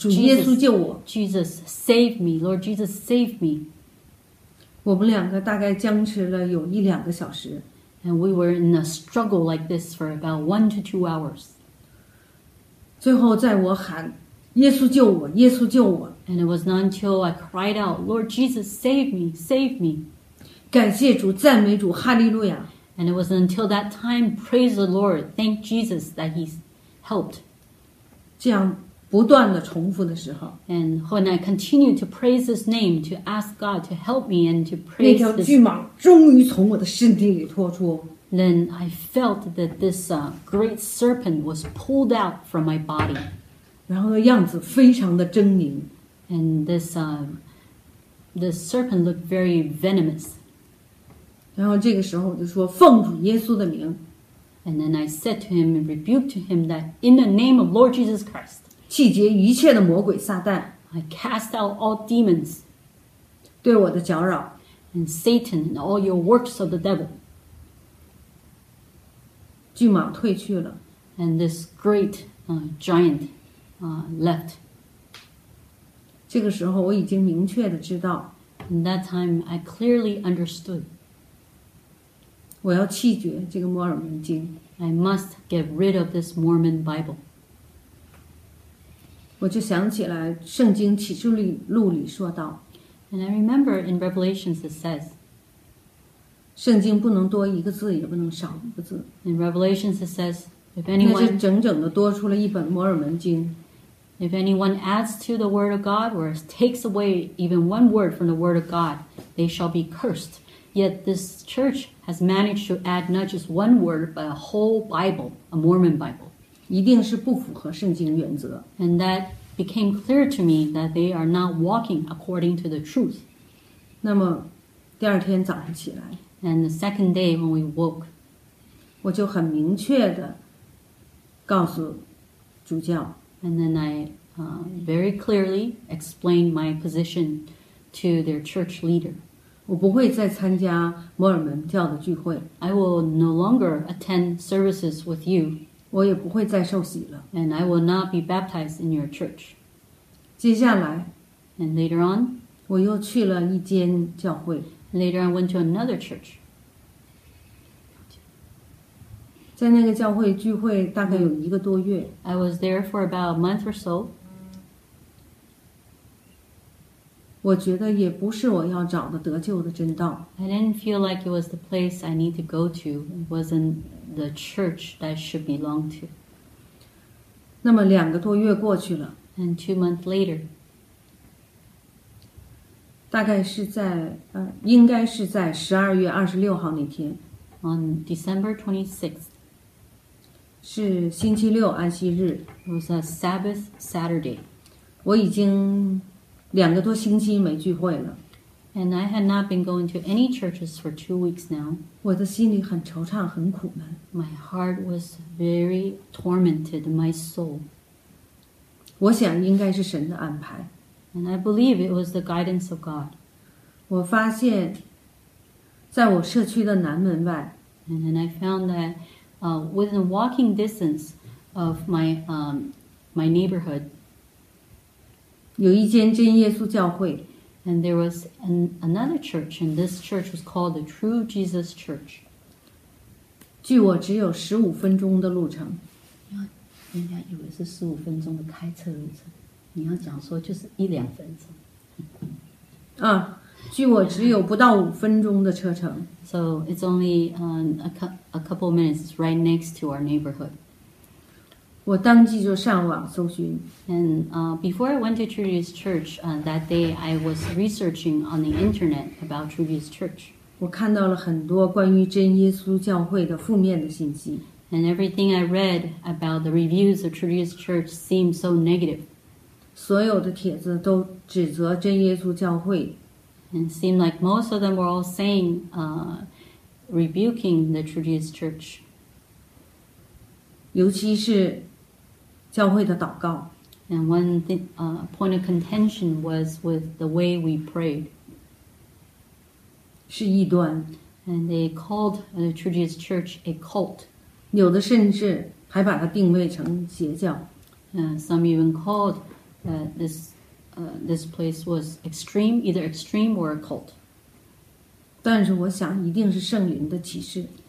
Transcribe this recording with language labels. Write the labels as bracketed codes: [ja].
[zh] 主耶稣救我 [en] Jesus, save me. Lord Jesus, save me. [zh] 我们两个大概僵持了有一两个小时 [en] And we were in a struggle like this for about 1 to 2 hours. [zh] 最后在我喊耶稣救我耶稣救我 [en] And it was not until I cried out Lord Jesus save me save me [zh] 感谢主赞美主哈利路亚 [en] And it was until that time praise the Lord thank Jesus that he helped [zh] 这样不断的重复的时候 [en] And when I continued to praise his name to ask God to help me and to praise [zh] 那条巨蟒终于从我的身体里脱出 [en] Then I felt that this great serpent was pulled out from my body. [zh] 然后样子非常的狰狞。 [en] And this serpent looked very venomous. [zh] 然后这个时候我就说奉主耶稣的名。 [en] And then I said to him and rebuked to him that in the name of Lord Jesus Christ. [zh] 弃绝一切的魔鬼撒旦。 [en] I cast out all demons. [zh] 对我的搅扰。 [en] And Satan and all your works of the devil. [zh] 巨蟒退去了 [en] And this great giant left. [zh] 这个时候我已经明确地知道 [en] And that time I clearly understood. [zh] 我要弃绝这个摩尔门经 [en] I must get rid of this Mormon Bible. [zh] 我就想起来圣经启示录里说到 [en] And I remember in Revelations it says, [zh] 圣经不能多一个字也不能少一个字 [en] In Revelations it says if anyone, [zh] 那就整整地多出了一本摩尔门经 [en] If anyone adds to the word of God or takes away even one word from the word of God they shall be cursed Yet this church has managed to add not just one word but a whole Bible a Mormon Bible [zh] 一定是不符合圣经原则 [en] And that became clear to me that they are not walking according to the truth [zh] 那么第二天早上起来。 [en] And the second day when we woke, [zh] 我就很明确地告诉主教。 [en] And then I, very clearly explained my position to their church leader. [zh] 我不会再参加摩尔门教的聚会。 [en] I will no longer attend services with you. [zh] 我也不会再受洗了。 [en] And I will not be baptized in your church. [zh] 接下来 [en] And later on, [zh] 我又去了一间教会。 [en] Later, I went to another church. [zh] 在那个教会聚会大概有一个多月。 [en] I was there for about a month or so. [zh] 我觉得也不是我要找的得救的真道。 [en] I didn't feel like it was the place I need to go to. It wasn't the church that I should belong to. [zh] 那么两个多月过去了。 [en] And 2 months later. [zh] 大概是在应该是在12月26号那天 [en] On December 26th [zh] 是星期六安息日 [en] It was a Sabbath Saturday [zh] 我已经两个多星期没聚会了 [en] And I had not been going to any churches for 2 weeks now [zh] 我的心里很惆怅很苦闷 [en] My heart was very tormented, my soul [zh] 我想应该是神的安排 [en] And I believe it was the guidance of God. [zh] 我发现在我社区的南门外 [en] And then I found that within walking distance of my, my neighborhood, [zh] 有一间真耶稣教会 [en] And there was another church, and this church was called the True Jesus Church. [zh] 距我只有15分钟的路程。人家以为是15分钟的开车路程。你要讲说就是一两分钟啊，距我只有不到五分钟的车程 [en] So it's only a couple minutes right next to our neighborhood [zh] 我当即就上网搜寻 [en] And before I went to True Jesus Church that day I was researching on the internet about True Jesus Church [zh] 我看到了很多关于真耶稣教会的负面的信息 [en] And everything I read about the reviews of True Jesus Church seemed so negative [zh] 所有的帖子都指责真耶稣教会 [en] And it seemed like most of them were all saying, rebuking the True Jesus Church. [zh] 尤其是教会的祷告 [en] And one point of contention was with the way we prayed. [zh] 是异端 [en] And they called the True Jesus Church a cult. [zh] 有的甚至还把它定位成邪教 [en] Some even calledThis place was extreme, either extreme or a cult. [zh] 但是我想一定是圣灵的启示。